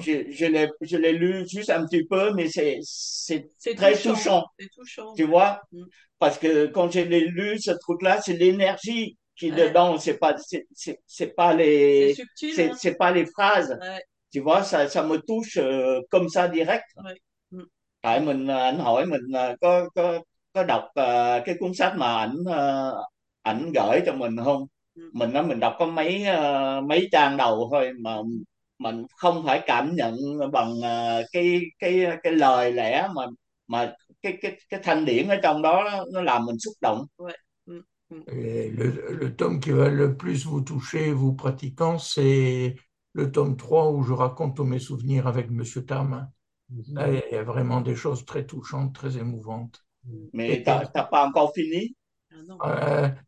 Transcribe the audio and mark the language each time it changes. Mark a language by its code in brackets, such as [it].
[fr] Je l'ai lu juste un petit peu, mais c'est C'est très touchant, touchant. c'est touchant. Tu vois? Parce que quand je l'ai lu, ce truc-là, c'est l'énergie qui est Ouais. dedans. C'est subtil, hein? C'est pas les phrases. Ouais. Tu vois, ça me touche comme ça direct. Ouais. [vi] Tại mình anh hỏi mình có đọc cái cuốn sách mà ảnh gửi cho mình không? Mình nói mình đọc có mấy mấy trang đầu thôi mà mình không phải cảm nhận bằng cái lời lẽ mà cái thanh điển ở trong đó nó làm mình xúc động. [fr] Le tome qui va le plus vous toucher, vous pratiquant, c'est le tome 3 où je raconte mes souvenirs avec Monsieur Tam. Là, il y a vraiment des choses très touchantes, très émouvantes. Et Mais puis, t'as pas encore fini? Ah non.